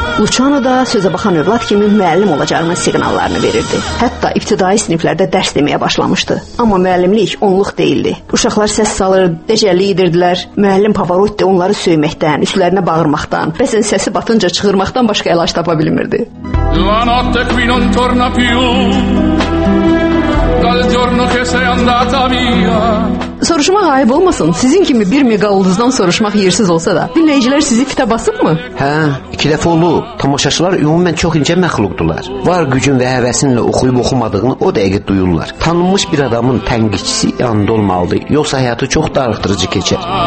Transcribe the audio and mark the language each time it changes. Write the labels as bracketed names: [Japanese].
[Azerbaijani] Luciano da sözə baxan övlad kimi müəllim olacağının siqnallarını verirdi. Hətta ibtidai siniflərdə dərs deməyə başlamışdı. Amma müəllimlik onluq deyildi. Uşaqlar səs salır, dəcəlli edirdilər. Müəllim Pavarotti onları söyməkdən, üstlərinə bağırmaqdan, bəzən səsi batınca çığırmaqdan başqa əlaç tapa bilmirdi. [Italian] La notte qui non torna più dal giorno che sei andata via. [Azerbaijani] Soruşmaq ayıb olmasın. Sizin kimi bir mega ulduzdan soruşmaq yersiz olsa da. Dinləyicilər sizi fitə basıbmı? Hə, iki dəfə olub. Tamaşaçılar ümumən çox incə məxluqdular. Var gücün və həvəsinlə oxuyub oxumadığını o dəqiq duyurlar. Tanınmış bir adamın tənqidçisi yanında olmalıdır. Yoxsa həyatı çox darıxdırıcı keçər.